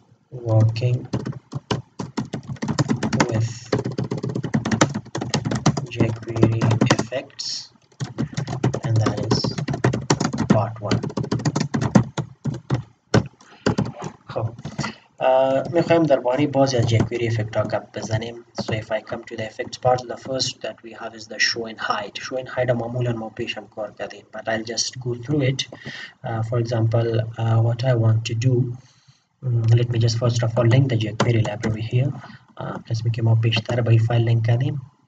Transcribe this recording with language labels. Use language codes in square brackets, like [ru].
[en] Working with jQuery effects, and that is part one. [fa] میخوایم درباره بعضی از jQuery effect ها گپ بزنیم. [en] So if I come to the effects part, the first that we have is the show and hide. Show and hide [fa] معمولا ما پیش هم کار کردیم, [en] but I'll just go through it. For example, what I want to do, let me just first of all link the jQuery library here. Let's make [fa] ما پیش تر بای فایل لینک کردیم.